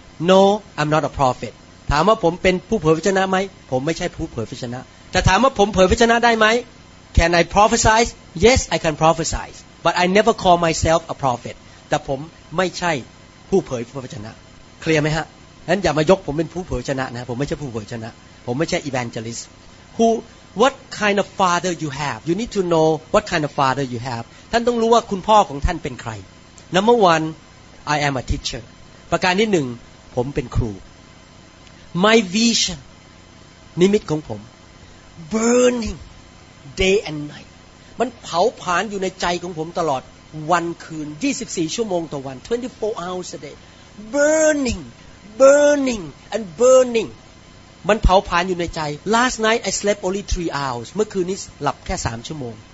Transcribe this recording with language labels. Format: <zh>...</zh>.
<en>No, I'm not a prophet.</en> <th>ถามว่าผมเป็นผู้เผยพระชนะไหมผมไม่ใช่ผู้เผยพระชนะจะถามว่าผมเผยพระชนะได้ไหม</th> <en>Can I prophesy? Yes, I can prophesy. But I never call myself a prophet.</en> <th>แต่ผมไม่ใช่ผู้เผยพระชนะเคลียร์ไหมฮะงั้นอย่ามายกผมเป็นผู้เผยชนะนะผมไม่ใช่ผู้เผยชนะผมไม่ใช่ evangelist.</th> <en>Who? What kind of father you have? You need to know what kind of father you have.</en> <th>ท่านต้องรู้ว่าคุณพ่อของท่านเป็นใคร</th> <en>Number one, I am a teacher.</en> <th>ประการที่หนึ่งผมเป็นครู</th> <en>My vision</en> <th>นิมิตของผม</th> <en>burning day and night</en> <th>มันเผาผลาญอยู่ในใจของผมตลอดวันคืน24ชั่วโมงต่อวัน</th> <en>24 hours a day burning and burning</en> <th>มันเผาผลาญอยู่ในใจ</th> <en>last night I slept only 3 hours</en> <th>เมื่อคืนนี้หลับแค่3ชั่วโมง</th>